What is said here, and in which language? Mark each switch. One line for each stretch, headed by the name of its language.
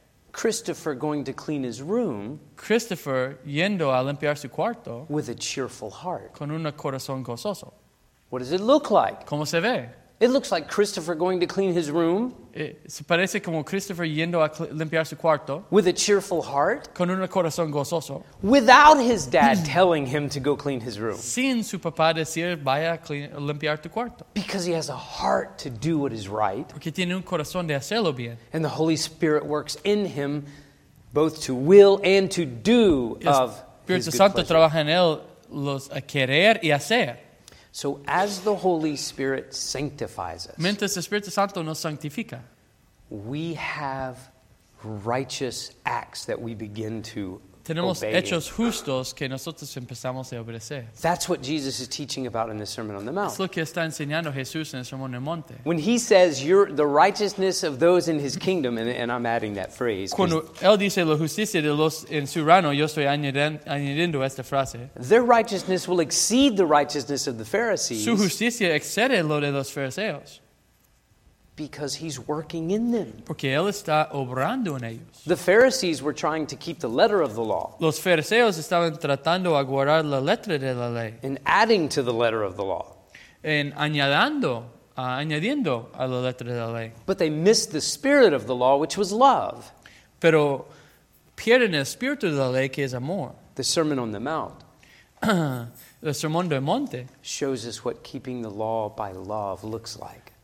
English: Christopher going to clean his room.
Spanish: Christopher yendo a limpiar su cuarto.
English: With a cheerful heart.
Spanish: Con un corazón gozoso.
English: What does it look like?
Spanish: ¿Cómo se ve?
English: It looks like Christopher going to clean his room.
Spanish: Se parece como Christopher yendo a limpiar su cuarto.
English: With a cheerful heart.
Spanish: Con un corazón gozoso.
English: Without his dad telling him to go clean his room.
Spanish: Sin su papá decir vaya a limpiar tu cuarto.
English: Because he has a heart to do what is right.
Spanish: Porque tiene un corazón de hacerlo bien.
English: And the Holy Spirit works in him both to will and to do of his good pleasure.
Spanish: Espíritu Santo trabaja en él los a querer y hacer.
English: So as the Holy Spirit sanctifies us,
Spanish: mientras el Espíritu Santo nos sanctifica,
English: we have righteous acts that we begin to
Spanish: tenemos
English: obey.
Spanish: Hechos justos que nosotros empezamos a obedecer.
English: That's what Jesus is teaching about in the Sermon on the Mount.
Spanish: Es lo que está enseñando Jesús en el Sermón del Monte.
English: When he says you're the righteousness of those in his kingdom, and I'm adding that phrase.
Spanish: Cuando él dice la justicia de los en su reino, yo estoy añadiendo esta frase.
English: Their righteousness will exceed the righteousness of the Pharisees.
Spanish: Su justicia excede lo de los fariseos.
English: Because he's working in them.
Spanish: Porque él está obrando en ellos.
English: The Pharisees were trying to keep the letter of the law.
Spanish: Los fariseos estaban tratando a guardar la letra de la ley.
English: And adding to the letter of the law.
Spanish: En añadiendo, añadiendo a la letra de la ley.
English: But they missed the spirit of the law, which was love.
Spanish: Pero pierden el espíritu de la ley, que es amor.
English: The Sermon on the Mount.
Spanish: El Sermón del Monte.
English: Shows us what keeping the law by love looks like.